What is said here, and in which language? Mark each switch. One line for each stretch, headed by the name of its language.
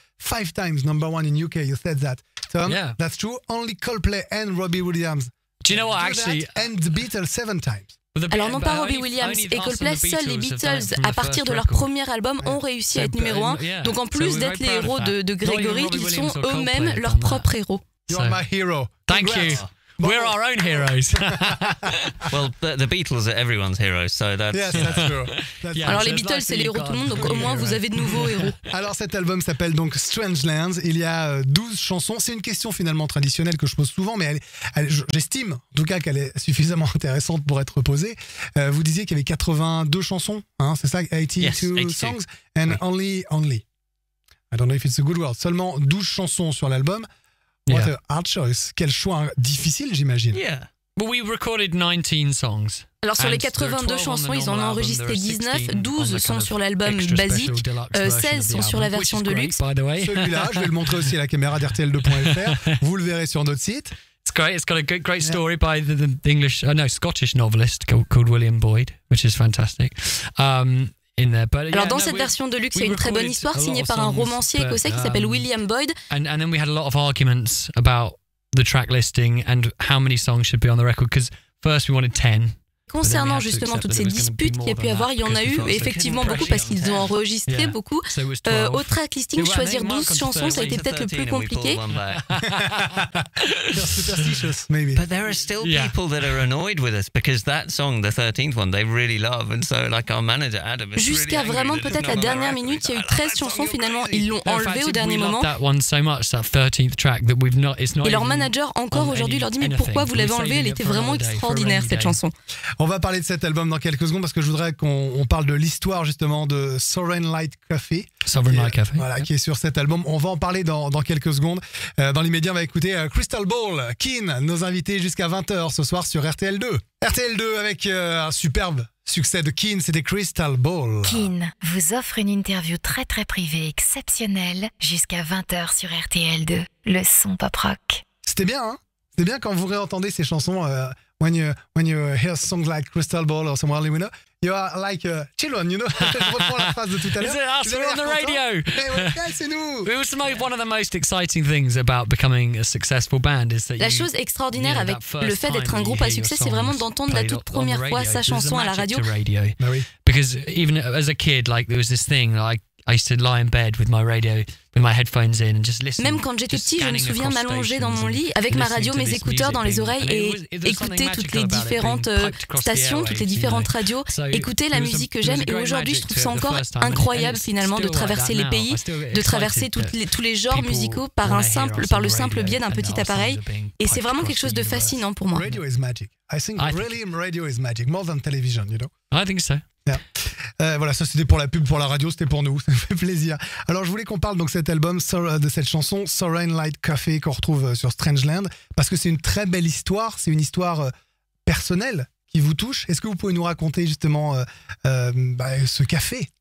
English: 5 times number 1 in UK, you said that. Tom, yeah. That's true, only Coldplay and Robbie Williams. Do you know what, actually? And the Beatles 7 times.
French: Alors non pas Robbie Williams et Coldplay, seuls les Beatles à partir de leur premier album ont réussi à être numéro 1. Donc en plus d'être les héros de Gregory, ils sont eux-mêmes leurs propres héros.
English: You're my hero. Thank you. We're our own heroes. Well, the Beatles are everyone's heroes, so that's... Yes, that's true. That's
French: Alors les Beatles, c'est les héros de tout le monde, donc au moins vous avez de nouveaux héros. Alors cet album s'appelle donc Strange Lands, il y a 12 chansons. C'est une question finalement traditionnelle que je pose souvent, mais j'estime en tout cas qu'elle est suffisamment intéressante pour être posée. Vous disiez qu'il y avait 82 chansons, hein, c'est ça,
English: 82 songs, and only. I don't know if it's a good word.
French: Seulement 12 chansons sur l'album.
English: What a hard choice.
French: Quel choix difficile, j'imagine.
English: Yeah. But we recorded 19 songs.
French: Alors sur les 82 chansons, ils en ont enregistré 19. 12 sont sur l'album basique, 16 sont sur la version de luxe. Celui-là, je vais le montrer aussi à la caméra d'RTL2.fr. Vous le verrez sur notre site.
English: It's great. It's got a great story by the English, no, Scottish novelist called William Boyd, which is fantastic.
French: Alors dans cette version de luxe, il y a une très bonne histoire signée par un romancier écossais qui s'appelle William Boyd.
English: And then we had a lot of arguments about the track listing and how many songs should be on the record, because first we wanted 10.
French: Concernant justement toutes ces disputes qu'il y a pu avoir, il y en a eu effectivement beaucoup parce qu'ils ont enregistré beaucoup. Au track listing, choisir 12 chansons, ça a été peut-être le plus compliqué.
English: But there are still people that are annoyed with us because that song, the 13th one, they really love. And so, like our manager Adam,
French: jusqu'à vraiment peut-être la dernière minute, il y a eu 13 chansons finalement, ils l'ont enlevé au dernier moment. Et leur manager encore aujourd'hui leur dit mais pourquoi vous l'avez enlevé? Elle était vraiment extraordinaire cette chanson. On va parler de cet album dans quelques secondes parce que je voudrais qu'on parle de l'histoire justement de Sovereign Light Café. Sovereign Light Café. Voilà, qui est sur cet album. On va en parler dans quelques secondes. Dans l'immédiat, on va écouter Crystal Ball, Keen, nos invités jusqu'à 20h ce soir sur RTL2. RTL2 avec un superbe succès de Keen, c'était Crystal Ball. Keen vous offre une interview très très privée, exceptionnelle, jusqu'à 20h sur RTL2. Le son pop rock. C'était bien, hein? C'était bien quand vous réentendez ces chansons.
English: When you hear songs like Crystal Ball or Somewhere Only We Know, you are like children, you know. Is it us? We're on the radio. Hey, it was one of the most exciting things about becoming a successful band is that.
French: La chose extraordinaire avec le fait d'être un groupe à succès, c'est vraiment d'entendre la toute première fois sa chanson à la radio.
English: Because even as a kid, like there was this thing like. I used to lie in bed with my radio, with my headphones in, and just listen.
French: Même quand j'étais petit, je me souviens m'allonger dans mon lit avec ma radio, mes écouteurs dans les oreilles et écouter toutes les différentes stations, toutes les différentes radios, écouter la musique que j'aime. Et aujourd'hui, je trouve ça encore incroyable finalement de traverser les pays, de traverser tous les genres musicaux par le simple biais d'un petit appareil. Et c'est vraiment quelque chose de fascinant pour moi.
English: Radio is magic. I think really radio is magic, more than television, you know. I think so.
French: Voilà, ça c'était pour la pub, pour la radio, c'était pour nous, ça me fait plaisir. Alors je voulais qu'on parle donc de cette chanson, Sovereign Light Café, qu'on retrouve sur Strangeland, parce que c'est une très belle histoire, c'est une histoire personnelle qui vous touche. Est-ce que vous pouvez nous raconter justement ce café?